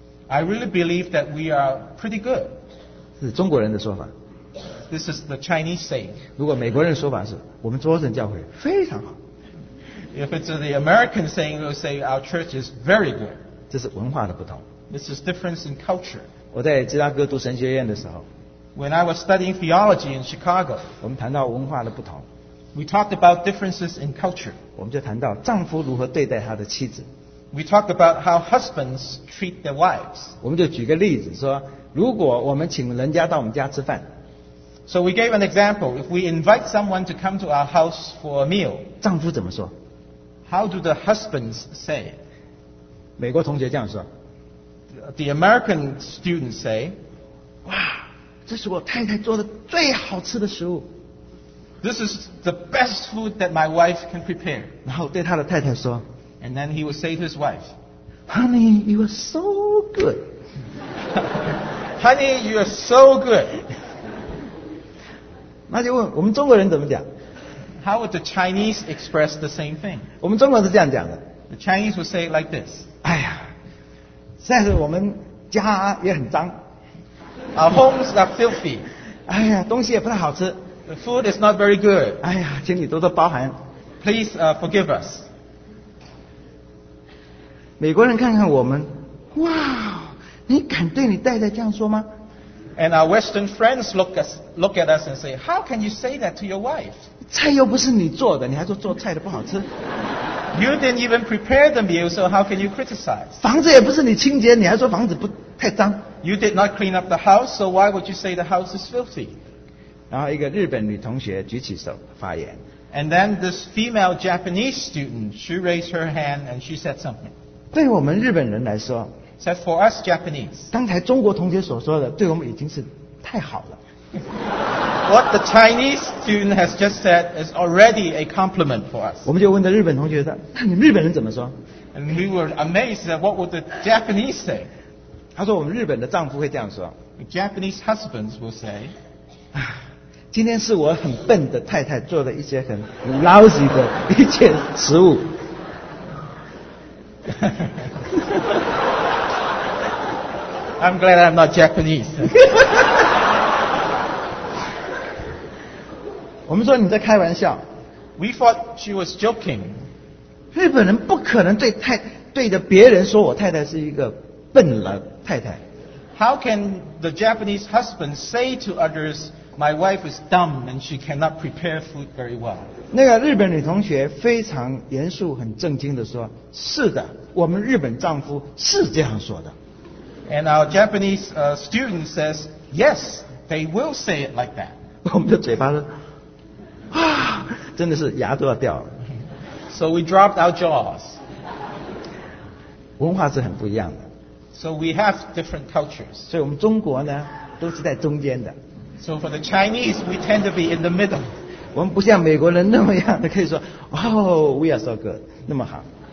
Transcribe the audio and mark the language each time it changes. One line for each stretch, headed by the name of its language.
English: I really believe that we are pretty good.
Chinese: 是中国人的说法。
English: This is the Chinese saying.
Chinese: 如果美国人的说法是, 我们波士顿教会非常好。
English: If it's the American saying, we'll say our church is very good.
Chinese: 这是文化的不同。
English: This is difference in culture.
Chinese: 我在芝加哥读神学院的时候,
English: when I was studying theology in Chicago,
Chinese: 我们谈到文化的不同。
English: We talked about differences in culture.
Chinese: 我们就谈到丈夫如何对待他的妻子。
English: We talked about how husbands treat their wives.
Chinese: 我们就举个例子说, 如果我们请人家到我们家吃饭,
English: so we gave an example. If we invite someone to come to our house for a meal,
Chinese: 丈夫怎么说?
English: How do the husbands say?
Chinese: 美国同学这样说,
English: the American students say,
Chinese: 哇, 这是我太太做的最好吃的食物。
English: This is the best food that my wife can prepare.
Chinese: 然后对他的太太说,
English: and then he would say to his wife, honey, you are so good. Honey, you are so good.
Chinese: 那就问我们中国人怎么讲?
English: How would the Chinese express the same thing?
Chinese: 我们中国人是这样讲的。
English: The Chinese would say it like this.
Chinese: 哎呀, 实在是我们家也很脏。
English: Our homes are filthy.
Chinese: 哎呀, 东西也不太好吃。
English: The food is not very good.
Chinese: 哎呀, 请你多多包涵。
English: Please forgive us.
Chinese: 美国人看看我们, 哇, 你敢对你太太这样说吗?
English: And our Western friends look at us and say, how can you say that to your wife?
Chinese: 菜又不是你做的, 你还说做菜的不好吃?
English: You didn't even prepare the meal, so how can you criticize?
Chinese: 房子也不是你清洁, 你还说房子不太脏?
English: You did not clean up the house, so why would you say the house is filthy?
Chinese: 然后一个日本女同学举起手发言。
English: And then this female Japanese student, she raised her hand and she said something.
Chinese: 对我们日本人来说
English: ，said for us Japanese，
Chinese: 刚才中国同学所说的，对我们已经是太好了。
English: What the Chinese student has just said is already a compliment for us。
Chinese: 我们就问的日本同学说，那你们日本人怎么说
English: ？And we were amazed at what would the Japanese say。
Chinese: 他说我们日本的丈夫会这样说
English: ，The Japanese husbands will say。
Chinese: 今天是我很笨的太太做了一些很 lousy 的一件食物。
English: I'm glad I'm not Japanese.
Chinese: 我们说你在开玩笑。
English: We thought she was joking.
Chinese: 日本人不可能对着别人说我太太是一个笨了太太。
English: How can the Japanese husband say to others? My wife is dumb and she cannot prepare food very well.
Chinese: 那个日本女同学非常严肃、很正经地说：“是的，我们日本丈夫是这样说的。”
English: And our Japanese student says, "Yes, they will say it like that."
Chinese: 我们的嘴巴呢？啊，真的是牙都要掉了。
English: So we dropped our jaws.
Chinese: 文化是很不一样的。
English: So we have different cultures.
Chinese: 所以我们中国呢，都是在中间的。
English: So for the Chinese, we tend to be in the middle.
Chinese: 我们不像美国人那么样的可以说 ，
English: Oh, we are so good,
Chinese: 那么好。